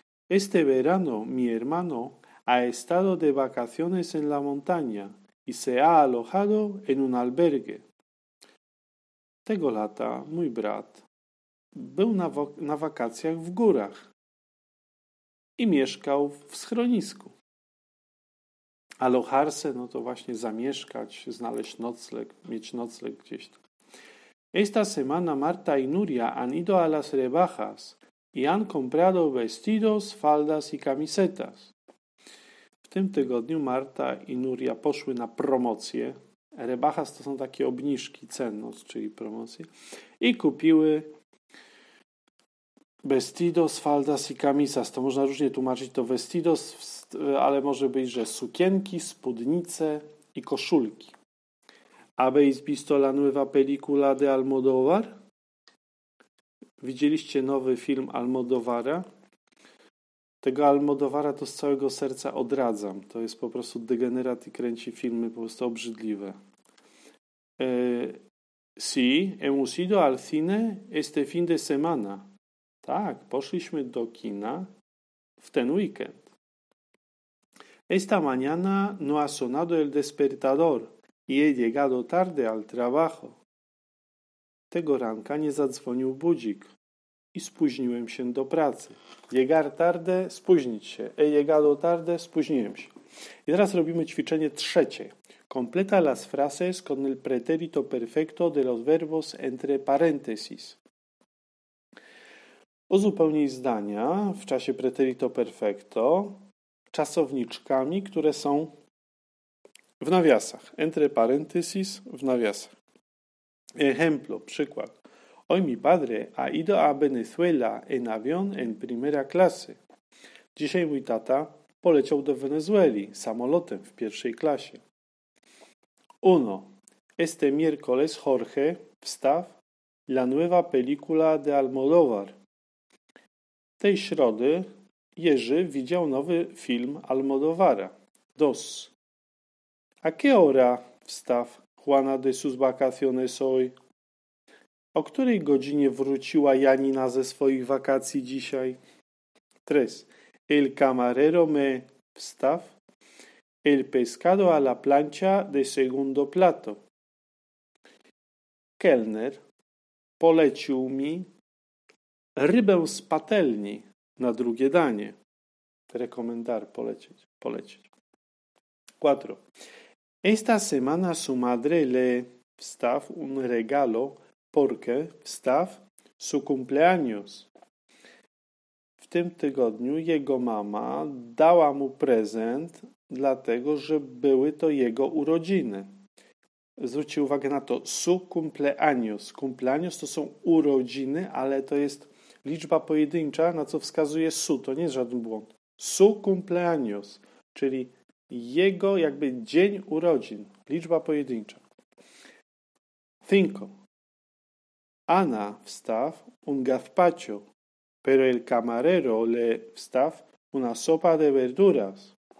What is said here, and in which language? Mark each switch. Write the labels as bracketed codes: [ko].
[es] Este verano mi hermano ha estado de vacaciones en la montaña y se ha alojado en un albergue. [pl] Tego lata mój brat był na wakacjach w górach i mieszkał w schronisku. [es] Alojarse, [pl] no to właśnie zamieszkać, znaleźć nocleg, mieć nocleg gdzieś tam. [es] Esta semana Marta i Nuria han ido a las rebajas y han comprado vestidos, faldas y camisetas. [pl] W tym tygodniu Marta i Nuria poszły na promocję. Rebajas to są takie obniżki cen, no, czyli promocje. I kupiły [es] vestidos, faldas [pl] i camisas. To można różnie tłumaczyć to vestidos, ale może być, że sukienki, spódnice i koszulki. [es] Habéis visto la nueva película de Almodóvar? [pl] widzieliście nowy film Almodovara. Tego Almodovara to z całego serca odradzam. To jest po prostu degenerat i kręci filmy po prostu obrzydliwe. [es] Sí, hemos ido al cine este fin de semana. [pl] Tak, poszliśmy do kina w ten weekend. [es] Esta mañana no ha sonado el despertador y he llegado tarde al trabajo. [pl] Tego ranka nie zadzwonił budzik i spóźniłem się do pracy. [es] Llegar tarde, [pl] spóźnić się. [es] He llegado tarde, [pl] spóźniłem się. I teraz robimy ćwiczenie trzecie. [es] Completa las frases con el pretérito perfecto de los verbos entre paréntesis. [pl] Uzupełnij zdania w czasie pretérito perfecto czasowniczkami, które są w nawiasach. [es] Entre paréntesis, [pl] w nawiasach. [es] Ejemplo, [pl] przykład. [es] Hoy mi padre ha ido a Venezuela en avión en primera clase. [pl] Dzisiaj mój tata poleciał do Wenezueli samolotem w pierwszej klasie. [es] Uno. Este miércoles Jorge wstaw la nueva película de Almodóvar. [pl] Tej środy Jerzy widział nowy film Almodóvara. [es] Dos. A qué hora wstaw Juana de sus vacaciones hoy? [pl] O której godzinie wróciła Janina ze swoich wakacji dzisiaj? [es] Tres. El camarero me wstaw. El pescado a la plancha de segundo plato. [pl] Kelner polecił mi rybę z patelni na drugie danie. [es] Rekomendar [pl] polecić. Polecić. [es] Cuatro. Esta semana su madre le wstaw un regalo porque wstaw su cumpleaños. [pl] W tym tygodniu jego mama dała mu prezent, dlatego że były to jego urodziny. Zwróćcie uwagę na to. [es] Su cumpleaños. [pl] Cumpleaños to są urodziny, ale to jest liczba pojedyncza, na co wskazuje su. To nie jest żaden błąd. [es] Su cumpleaños, [pl] czyli jego jakby dzień urodzin. Liczba pojedyncza. [es] Cinco. Ana wstaw un gazpacho, pero el camarero le wstaw una sopa de verduras.